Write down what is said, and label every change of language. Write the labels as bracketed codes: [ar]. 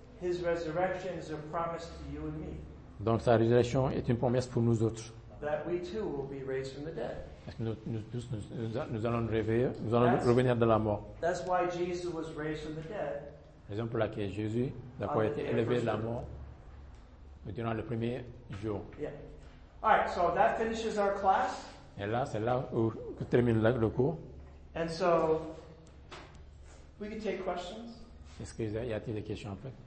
[en] His resurrection is a promise to you and me. [fr] Donc sa résurrection est une promesse pour nous autres. [en] That we too will be raised from the dead. [fr] Parce que nous allons réveiller, nous allons revenir de la mort. [en] That's why Jesus was raised from the dead. [fr] Raison pour laquelle Jésus a été élevé de la mort durant le premier jour. [en] Yeah. All right, so that finishes our class. [fr] Et là, c'est là où que termine le cours. [en] And so, we can take questions. [fr] Est-ce qu'il y a-t-il des questions, en fait?